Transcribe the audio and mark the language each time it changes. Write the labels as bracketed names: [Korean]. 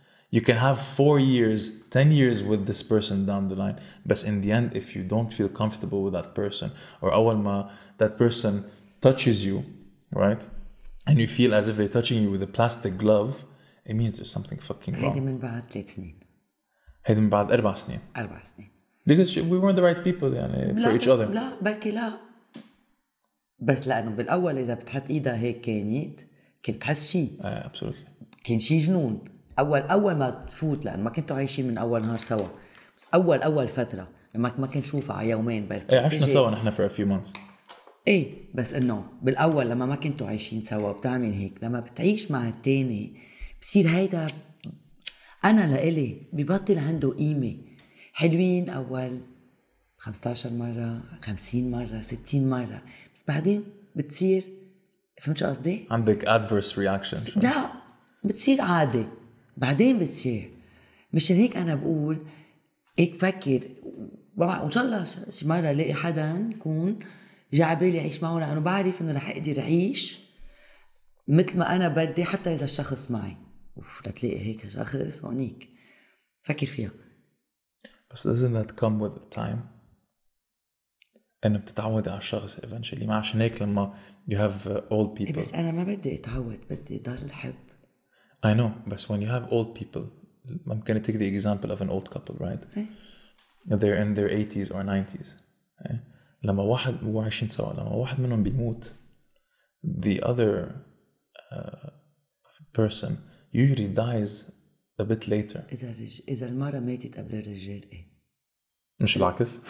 [English] You can have 4 years, 10 years with this person down the line, but in the end, if you don't feel comfortable with that person, or [Arabic] أول ما [English] that person touches you, right, and you feel as if they're touching you with a plastic glove, it means there's something fucking wrong. [Arabic] هيدي من بعد 3 سنين. هيدي من بعد 4 سنين. 4 سنين. [English] Because we weren't the right people يعني, for each other. [Arabic] لا, بلكي لا. بس لأنه بالأول إذا بتحط إيدها هيك كانت, كنت تحس شيء. [English] Absolutely. [Arabic] كان شيء جنون. أول ما تفوت, لأن ما كنتوا عايشين من أول نهار سوا. بس أول فترة, لما ما كنت شوفها يومين بلكي. إيه, عشنا سوا نحن [English] for a few months. [Arabic] إيه, بس إنه بالأول لما ما كنتوا عايشين سوا بتعمل هيك, لما بتعيش مع التاني بصير هيدا, أنا لإلي ببطل عنده قيمة. حلوين أول 15 مرة, 50 مرة, 60 مرة, بس بعدين بتصير, فهمت شو قصدي؟ [English] عندك adverse reaction. [Arabic] لا, بتصير عادي, بعدين بتصير. مش هيك أنا بقول, هيك فكر, وإن شاء الله شي مرة لقي حدا يكون جعبالي أعيش معه, لأنه بعرف أنه رح أقدر أعيش مثل ما أنا بدي, حتى إذا الشخص معي. أوف, لتلاقي هيك شخص هونيك, فكر فيها. [English] بس doesn't that come with the time؟ [Arabic] إنه بتتعود على الشخص [English] eventually. [Arabic] ما عشان هيك لما [English] you have old people. [Arabic] بس أنا ما بدي أتعود، بدي ضل الحب. [English] I know, but when you have old people, I'm gonna take the example of an old couple, right? They're in their 80s or 90s. [Arabic] لما واحد وعشرين سنة، لما واحد منهم بيموت، [English] the other person usually dies a bit later. [Arabic] إذا المرة ماتت قبل الرجال، مش العكس؟